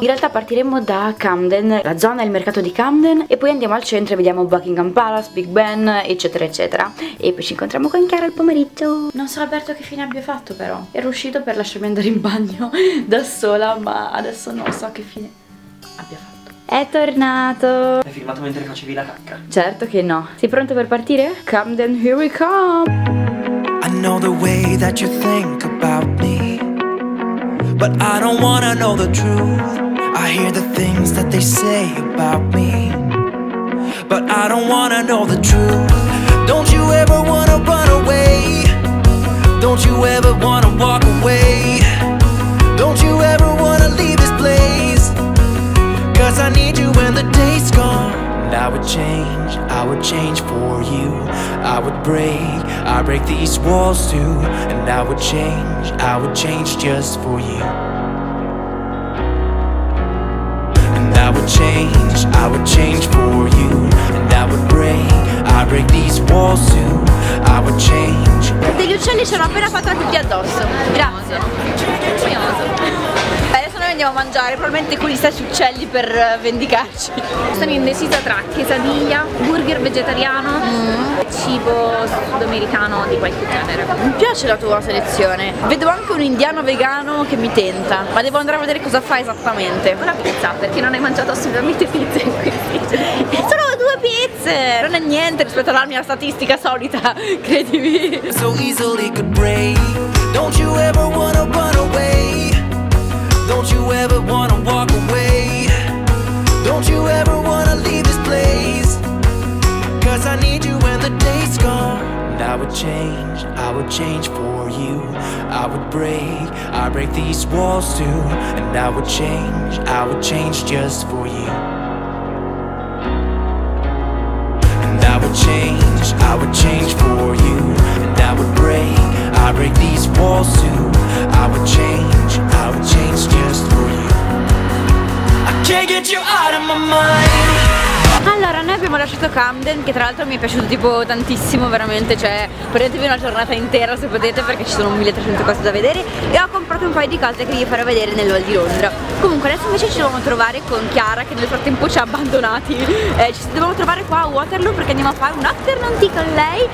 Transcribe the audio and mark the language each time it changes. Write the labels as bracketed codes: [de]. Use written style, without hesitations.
[it] In realtà partiremo da Camden, la zona e il mercato di Camden, e poi andiamo al centro e vediamo Buckingham Palace, Big Ben, eccetera eccetera. E poi ci incontriamo con Chiara al pomeriggio. Non so Alberto che fine abbia fatto, però ero uscito per lasciarmi andare in bagno da sola, ma adesso non so che fine è tornato. Hai filmato mentre facevi la cacca? Certo che no. Sei pronto per partire? Camden, [en] here we come. I know the way that you think about me, but I don't wanna know the truth. I hear the things that they say about me, but I don't wanna know the truth. Don't you ever wanna run away? Don't you ever wanna walk away? Don't you ever wanna leave this place? I need you when the day's gone. And I would change for you. I would break, I break these walls too. And I would change just for you. And I would change for you. And I would break, I break these walls too. I would change. [it] Degli uccelli ci hanno appena fatto la pipì addosso. Grazie. Andiamo a mangiare, probabilmente con gli stessi uccelli per vendicarci. Sono indecisa tra quesadilla, burger vegetariano e cibo sudamericano di qualche genere. Mi piace la tua selezione. Vedo anche un indiano vegano che mi tenta, ma devo andare a vedere cosa fa esattamente. Una pizza, perché non hai mangiato assolutamente pizza in qui. Sono due pizze! Non è niente rispetto alla mia statistica solita, credimi. [en] So easily could break. Don't you ever wanna run away? Don't you ever wanna walk away? Don't you ever wanna leave this place? 'Cause I need you when the day's gone. And I would change for you. I would break, I break these walls too. And I would change just for you. And I would change for you. And I break these walls too. I would change just for you. I can't get you out of my mind. [it] Allora, noi abbiamo lasciato Camden, che tra l'altro mi è piaciuto tipo tantissimo, veramente, cioè prendetevi una giornata intera se potete, perché ci sono 1300 cose da vedere, e ho comprato un paio di cose che vi farò vedere nel Val di Londra. Comunque adesso invece ci dobbiamo trovare con Chiara, che nel frattempo ci ha abbandonati. Ci dobbiamo trovare qua a Waterloo, perché andiamo a fare un afternoon tea con lei.